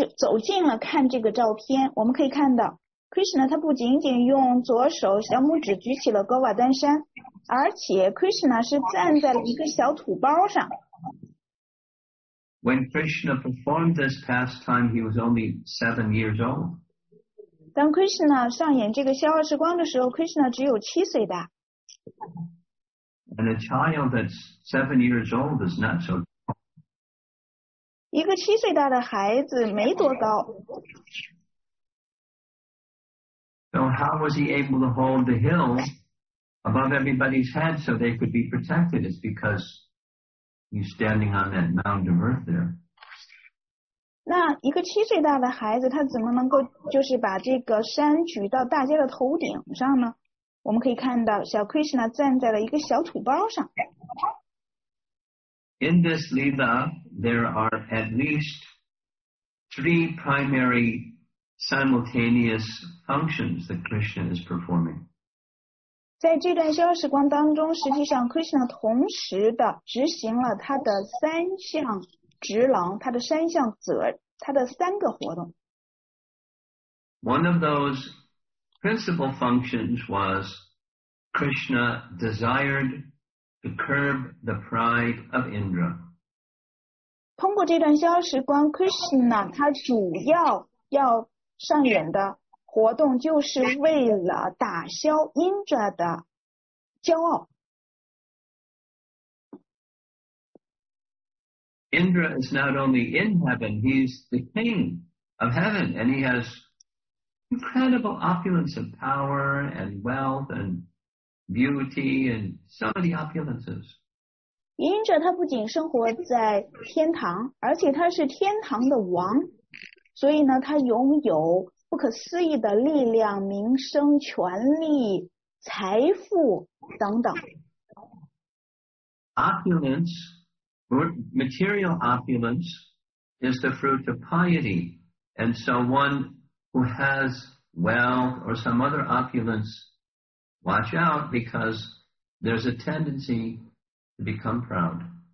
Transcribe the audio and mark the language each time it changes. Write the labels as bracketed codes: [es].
[zh] 大家可以走近了看这个照片，我们可以看到 Krishna 他不仅仅用左手小拇指举起了 Govardhan 山，而且 Krishna 是站在了一个小土包上。 [en] When Krishna performed this pastime, he was only 7 years old. [zh] 当 Krishna 上演这个消二世光的时候 ，Krishna 只有七岁的。 [en] And a child that's 7 years old is not so. [zh] 一个七岁大的孩子没多高。 [en] So how was he able to hold the hill above everybody's head so they could be protected? It's because he's standing on that mound of earth there. [zh] 那一个七岁大的孩子，他怎么能够就是把这个山举到大家的头顶上呢？我们可以看到，小 Krishna 站在了一个小土包上。 [en] In this lila, there are at least three primary simultaneous functions that Krishna is performing. [zh] 在这段消时光当中，实际上 Krishna 同时的执行了他的三项职能，他的三项责，他的三个活动。 [en] One of those principal functions was Krishna desired to curb the pride of Indra. [zh] 通过这段消时光 ，Krishna 他主要要上演的活动就是为了打消 Indra 的骄傲。 [en] Indra is not only in heaven, he's the king of heaven, and he has incredible opulence of power and wealth and beauty and so many opulences. [zh] Indra, 他不仅生活在天堂，而且他是天堂的王，所以呢，他拥有不可思议的力量、名声、权力、财富等等。 [en] Opulence. Material opulence is the fruit of piety, and so one who has wealth or some other opulence, watch out because there's a tendency to become proud.